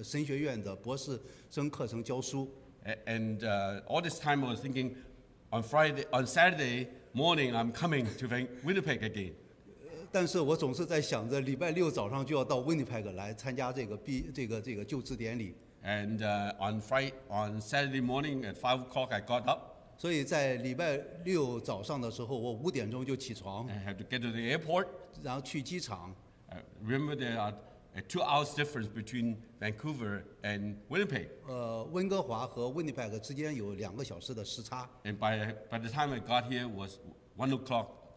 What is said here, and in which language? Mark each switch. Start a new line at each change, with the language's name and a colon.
Chinese: 在过去的几周的时间里，牧师一直在忙。过去一周，一直从礼拜一到礼拜五，从早上到晚上都在这个神学院的博士生课程教书。
English: And all this time, I was thinking, on Saturday morning, I'm coming to Winnipeg again.
Chinese: 但是我总是在想着礼拜六早上就要到温尼佩克来参加这个就职典礼。
English: And on Saturday morning at 5 o'clock, I got up.
Chinese: 所以在礼拜六早上的时候，我5点钟就起床。
English: I had to get to the airport.
Chinese: 然后去机场。
English: Remember there are a 2 hours difference between Vancouver and Winnipeg.
Chinese: 温哥华和温尼佩克之间有2个小时的时差。
English: And by the time I got here was 1 o'clock.